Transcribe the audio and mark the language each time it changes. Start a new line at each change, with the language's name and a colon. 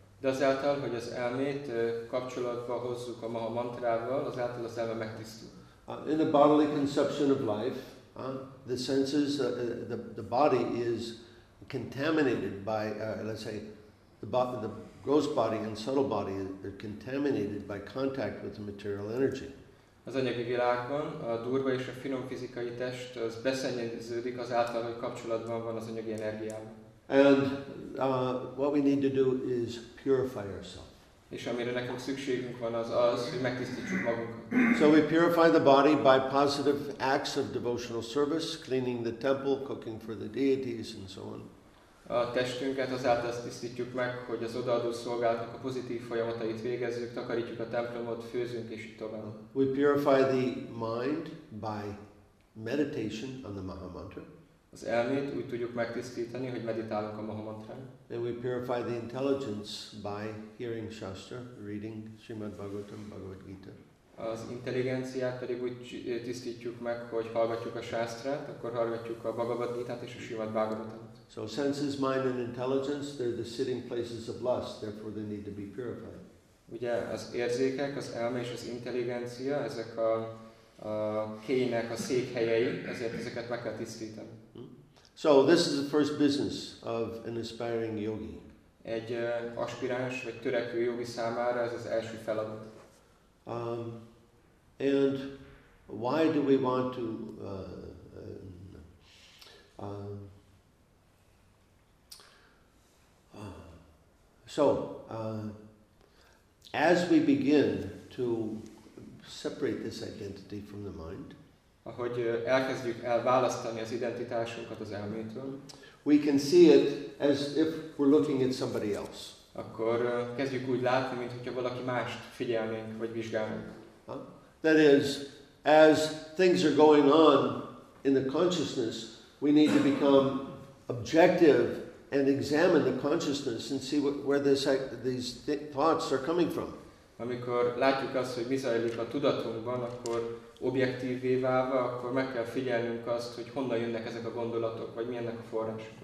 Hungarian: De azáltal, hogy az elmét kapcsolatba hozzuk a maha mantrával, azáltal az elme megtisztul.
English: In the bodily conception of life, the senses, the body is contaminated by, let's say, the gross body and subtle body are contaminated by contact with the material energy.
Hungarian: Az anyagi világban a durva és a finom fizikai test az beszennyeződik azáltal, hogy kapcsolatban van az anyagi energiával.
English: And what we need to do is purify ourselves.
Hungarian: És amire nekünk szükségünk van az, hogy megtisztítsuk magunkat.
English: So we purify the body by positive acts of devotional service, cleaning the temple, cooking for the deities, and so on.
Hungarian: A testünket azáltal tisztítjuk meg, hogy az odaadó szolgálatnak a pozitív folyamatait végezzük, takarítjuk a templomot, főzünk és így tovább.
English: We purify the mind by meditation on the maha mantra.
Hungarian: Az elmét úgy tudjuk megtisztítani, hogy meditálunk a maha mantrán.
English: And we purify the intelligence by hearing Shastra, reading Srimad Bhagavatam, Bhagavad Gita.
Hungarian: Az intelligenciát pedig úgy tisztítjuk meg, hogy hallgatjuk a Shastrát, akkor hallgatjuk a Bhagavad Gita-t és a Srimad Bhagavatam.
English: So senses, mind and intelligence, they're the sitting places of lust, therefore they need to be purified.
Hungarian: Ugye az érzékek, az elme és az intelligencia, ezek a kéinek a székhelyei, ezért ezeket meg kell tisztítani.
English: So this is the first business of an aspiring yogi.
Hungarian: Egy aspiráns vagy törekvő jogi számára ez az első feladat.
English: And why do we want to as we begin to separate this identity from the mind,
Hungarian: ahogy elkezdjük elválasztani az identitásunkat az elmétől,
English: we can see it as if we're looking at somebody else.
Hungarian: Akkor kezdjük úgy látni, mint hogyha valaki mást figyelnénk vagy vizsgálnánk.
English: That is, as things are going on in the consciousness, we need to become objective and examine the consciousness and see where these thoughts are coming from.
Hungarian: Amikor látjuk azt, hogy mi zajlik a tudatunkban, akkor objektívvé válva, akkor meg kell figyelnünk azt, hogy honnan jönnek ezek a gondolatok, vagy mi ennek a forrás.